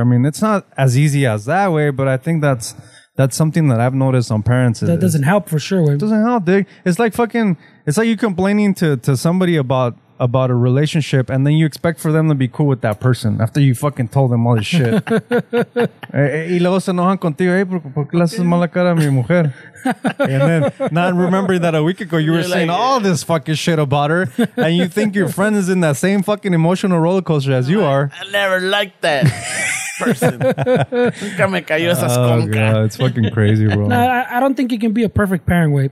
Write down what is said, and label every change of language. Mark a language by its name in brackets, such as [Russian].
[English] I mean, it's not as easy as that way, but I think that's something that I've noticed on parents. That doesn't help for sure. It doesn't help. It's like fucking, it's like you complaining to somebody about a relationship, and then you expect for them to be cool with that person after you fucking told them all this shit. [Spanish] Y luego se enojan contigo, hey, ¿por qué le haces mala cara a mi mujer? [English] And then, not remembering that a week ago you were like, saying all this fucking shit about her, and you think your friend is in that same fucking emotional roller coaster as you are. I never liked that person. [Spanish] Me cayó esas [English] God, it's fucking crazy, bro. No, I don't think you can be a perfect parent, way.